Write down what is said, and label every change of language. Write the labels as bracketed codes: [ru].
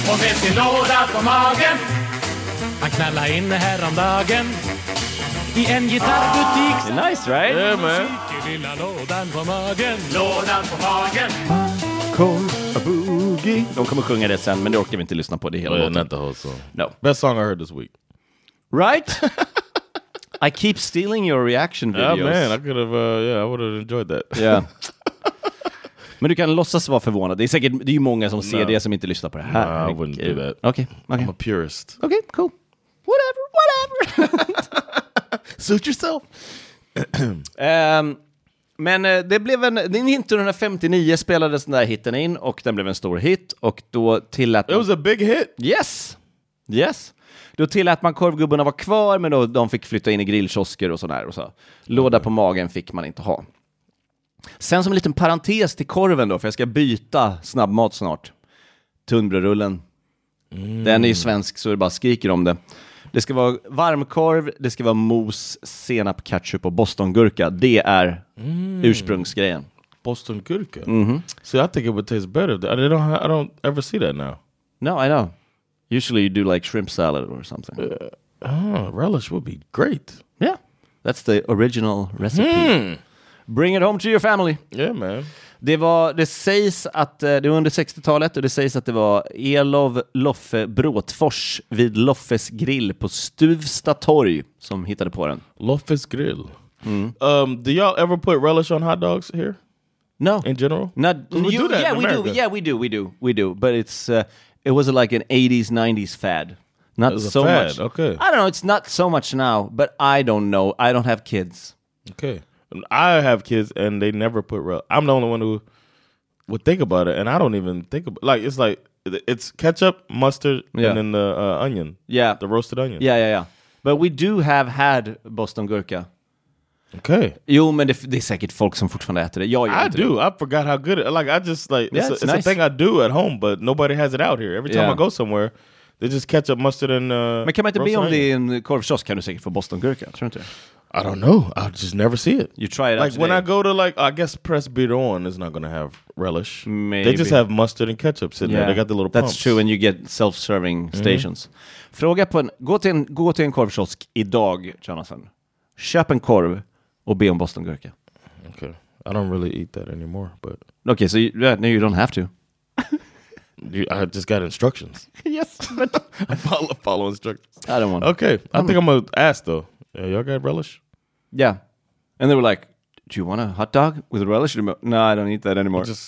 [sv] Och med sin låda på magen, han knallade in häromdagen. I en gitarrbutik. [en] Ah, nice, right? Yeah, man. [sv] Lådan på magen. Lådan på magen. Kom a boogie. De kommer sjunga det sen, men det orkar vi inte lyssna på det hela låten. [en] Not the whole song. No. Best song I heard this week. Right? I keep stealing your reaction videos. Yeah, man. I could have, I would have enjoyed that. Yeah. [sv] Men du kan låtsas vara förvånad. Det är säkert, det är ju många som ser det som inte lyssnar på det här. [en] No, I wouldn't do that. Okay. I'm a purist. Okay, cool. Whatever. Suit yourself. [sv] Men det blev en 1959 spelades den där hitten in och den blev en stor hit och då tillät [en] It was a big hit. Yes. [sv] Då tillät man korvgubbarna var kvar, men då de fick flytta in i grillkiosker och sådär och så. Låda på magen fick man inte ha. Sen som en liten parentes till korven då, för jag ska byta snabbmat snart. Tunnbrödrullen. Mm. Den är ju svensk så det bara skriker om det. Det ska vara varmkorv, det ska vara mos, senap, ketchup och bostongurka. Det är ursprungsgrejen. Bostongurka? Mm-hmm. [en] See, I think it would taste better. I don't ever see that now. No, I know. Usually you do like shrimp salad or something. Relish would be great. Yeah, that's the original recipe. Mm. Bring it home to your family. Yeah, man. [sv] Det sägs att det var under 60-talet och det sägs att det var Elof Loffe Bråtfors vid Loffes grill på Stuvsta torg som hittade på den. Loffes grill. [en] Do y'all ever put relish on hot dogs here? No. In general? We do that in America. Yeah, we do. But it's it was like an 80s, 90s fad. Not so fad. Much. Okay. I don't know. It's not so much now, but I don't know. I don't have kids. Okay. I have kids, and they never put relish. I'm the only one who would think about it, and I don't even think about it. Like, it's like, it's ketchup, mustard, and then the onion. Yeah. The roasted onion. Yeah. But we do have had Boston gurka. Okay. [sv] Jo, men det är säkert folk som fortfarande äter det. [en] I forgot how good it is. Like, I just, like, it's nice. A thing I do at home, but nobody has it out here. Every time I go somewhere, they just ketchup, mustard, and [sv] men kan man inte be om det är en korvkiosk, kan du säkert få Boston gurka, tror du inte? [en] I don't know. I just never see it. You try it. Like, when I go to, like, I guess Presbyterian is not going to have relish. Maybe. They just have mustard and ketchup sitting there. They got the little That's pumps. That's true, and you get self-serving stations. [sv] Fråga på en... Gå till en korvkiosk idag, Jonathan. Köp en korv och be om Boston gurka. [en] Okay. I don't really eat that anymore, but... Okay, so now you don't have to. I just got instructions. Yes, but... I follow instructions. I don't want to. Okay, I think I'm going to ask, though. Yeah, y'all got relish? Yeah. And they were like, do you want a hot dog with relish? No, I don't eat that anymore.